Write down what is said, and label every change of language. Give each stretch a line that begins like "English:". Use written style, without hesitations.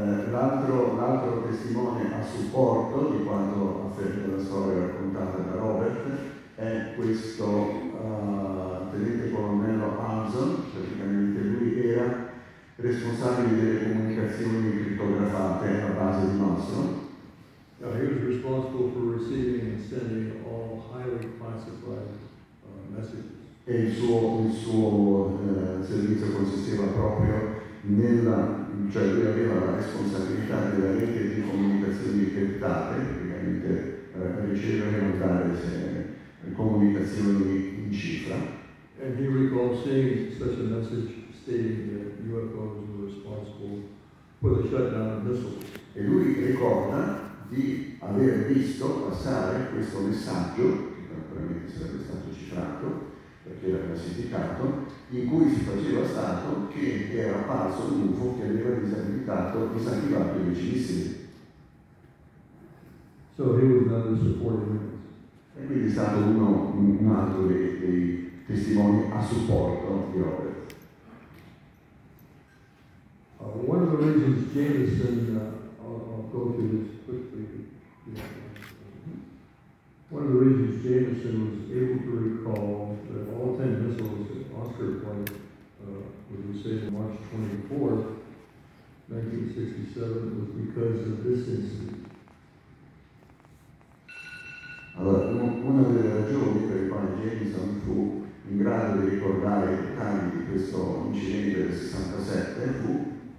Italian: L'altro testimone a supporto di quanto afferma la storia raccontata da Robert è questo tenente colonnello Hanson, praticamente lui era responsabile delle comunicazioni crittografate a base di nostro.
English: Now he was responsible for receiving and sending all highly classified messages.
Italian: E il suo servizio consisteva proprio nella, cioè lui aveva la responsabilità della rete di comunicazioni criptate, praticamente ricevere e mandare comunicazioni in cifra.
English: And he recalled seeing such a message stating that UFOs were responsible for the shutdown of missiles.
Italian: E lui ricorda di aver visto passare questo messaggio, che naturalmente sarebbe stato cifrato, perché era classificato, in cui si faceva stato che era apparso un UFO che aveva disattivato i missili.
English: So he was not a supporting witness.
Italian: E quindi è stato un altro dei testimoni a supporto di Robert.
English: One of the reasons Jameson, I'll go through this quickly. Yeah. One of the reasons Jameson was able to recall that all 10 missiles at Oscar Flight were disabled March 24th, 1967 was because of this incident.
Italian: Allora, una delle ragioni per le quali Jameson fu in grado di ricordare i dettagli di questo incidente del 67 fu...